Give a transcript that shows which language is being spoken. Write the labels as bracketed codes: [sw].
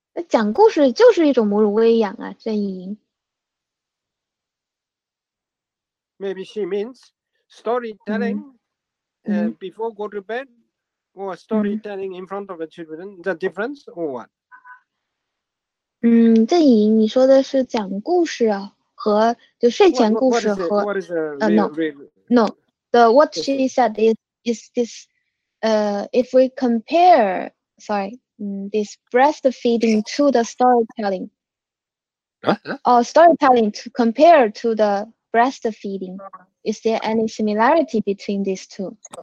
[zh] 讲故事就是一种母乳喂养啊，郑怡莹。 [en] Maybe she means storytelling before go to bed or storytelling in front of the children, the difference or what? [zh] 郑怡莹，你说的是讲故事啊，和就睡前故事和 [en] what she said is this, if we compare, this breastfeeding to the storytelling, or storytelling to compare to the breastfeeding, is there any similarity between these two?